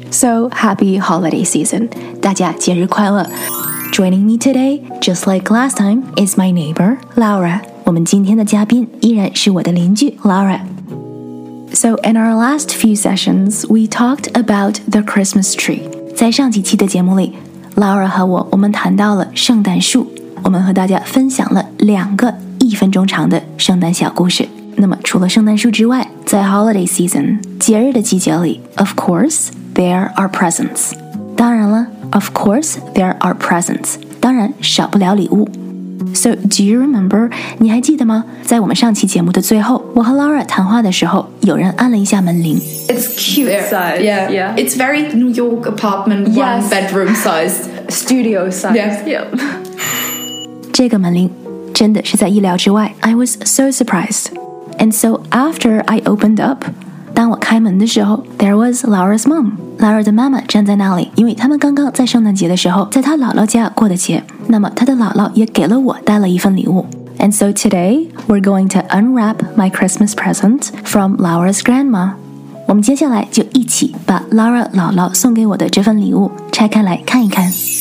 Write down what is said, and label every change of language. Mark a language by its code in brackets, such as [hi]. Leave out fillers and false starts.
[en] So, happy holiday season. [zh] 大家节日快乐。 [en] Joining me today, just like last time, is my neighbor, Laura. [zh] 我们今天的嘉宾依然是我的邻居 Laura. [en] So in our last few sessions, we talked about the Christmas tree. [zh] 在上几期的节目里 ,Laura 和我们谈到了圣诞树。我们和大家分享了两个一分钟长的圣诞小故事。那么除了圣诞树之外，在 holiday season, 节日的季节里 , [en] of course, there are presents. [zh] 当然了 [en] ,of course, there are presents. [zh] 当然少不了礼物。 [en] So, do you remember? [zh] 你还记得吗？在我们上期节目的最后，我和 Laura 谈话的时候，有人按了一下门铃。 [en] It's cute size. Yeah, yeah. It's very New York apartment, one、 yes. bedroom size. Studio size. Yes, yeah. [zh] 这个门铃真的是在意料之外。 [en] I was so surprised. And so, after I opened up, [zh] 当我开门的时候 [en] there was Laura's mom. [zh] Laura 的妈妈站在那里，因为他们刚刚在圣诞节的时候在她姥姥家过的节，那么她的姥姥也给了我带了一份礼物。 [en] And so today, we're going to unwrap my Christmas present from Laura's grandma. [zh] 我们接下来就一起把 Laura 姥姥送给我的这份礼物拆开来看一看。